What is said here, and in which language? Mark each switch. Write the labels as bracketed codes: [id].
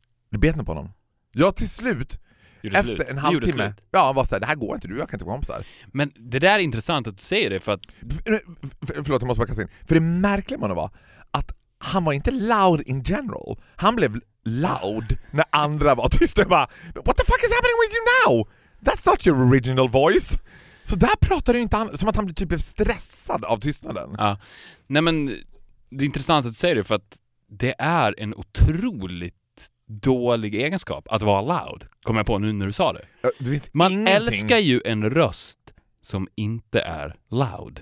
[sv] Det bet nog på honom. Ja, till slut. Gjorde efter slut. En halvtimme. Ja, han var så här, det här går inte, du, jag kan inte gå om så här. Men det där är intressant att du säger det, för att... Förlåt, jag måste bara kasta in. För det märkliga man var att han var inte [en] loud in general. [sv] Han blev loud när andra var tysta. Jag bara, [en] what the fuck is happening with you now? That's not your original voice. [sv] Så där pratar du inte annars. Som att han typ blev stressad av tystnaden. Ja. Nej, men det är intressant att du säger det, för att det är en otroligt dålig egenskap att vara loud, kommer jag på nu när du sa det. Du vet, man ingenting. Älskar ju en röst som inte är loud.